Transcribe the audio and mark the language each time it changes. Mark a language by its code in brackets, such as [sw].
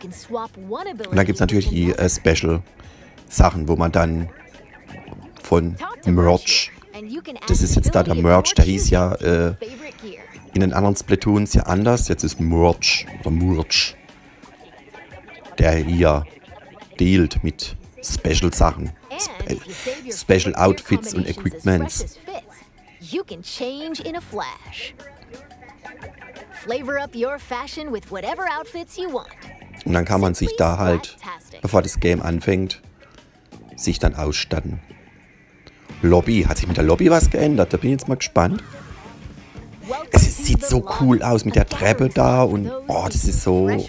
[de] Und dann gibt es natürlich die Special-Sachen, wo man dann von Merch, das ist jetzt da der Merch, der hieß ja in den anderen Splatoons ja anders, jetzt ist Merch oder Merch, der hier dealt mit Special-Sachen, Special-Outfits und Equipments. [en] You can change in a flash. Flavor up your fashion with whatever outfits you want. [de] Und dann kann man sich da halt, bevor das Game anfängt, sich dann ausstatten. Lobby. Hat sich mit der Lobby was geändert? Da bin ich jetzt mal gespannt. Es sieht so cool aus mit der Treppe da und oh, das ist so.